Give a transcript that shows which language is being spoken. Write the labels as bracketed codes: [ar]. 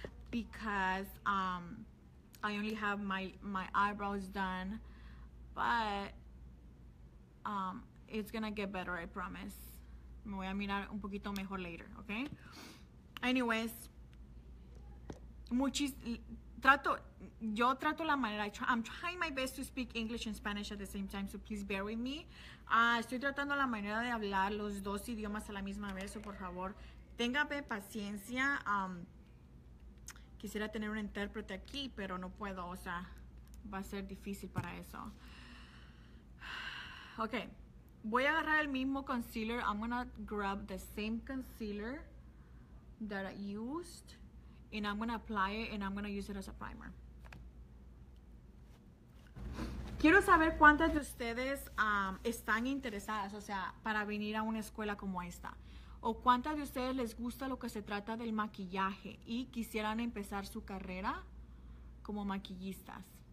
[en] because I only have my eyebrows done, but it's gonna get better, I promise. [es] Me voy a mirar un poquito mejor later, okay? [en] Anyways, [es] yo trato la manera, [en] I'm trying my best to speak English and Spanish at the same time, so please bear with me. [es] Estoy tratando la manera de hablar los dos idiomas a la misma vez, so por favor, téngame paciencia. Quisiera tener un intérprete aquí, pero no puedo, o sea, va a ser difícil para eso. Okay, voy a agarrar el mismo concealer. [en] I'm gonna grab the same concealer that I used, and I'm gonna apply it, and I'm gonna use it as a primer. [es] Quiero saber cuántas de ustedes están interesadas, o sea, para venir a una escuela como esta. ¿O cuántas de ustedes les gusta lo que se trata del maquillaje y quisieran empezar su carrera como maquillistas?